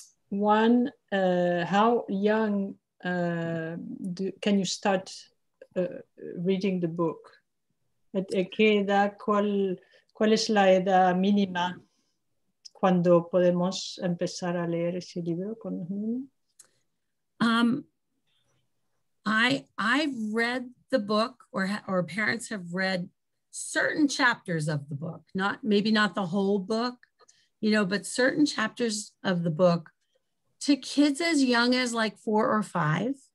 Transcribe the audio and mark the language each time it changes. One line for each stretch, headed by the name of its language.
English: One, how young can you start reading the book?
Spanish: ¿Qué edad, cuál es la edad mínima cuando podemos empezar a leer ese libro con Juni?
English: I've read the book, or parents have read certain chapters of the book, not the whole book, you know, but certain chapters of the book to kids as young as like 4 or 5.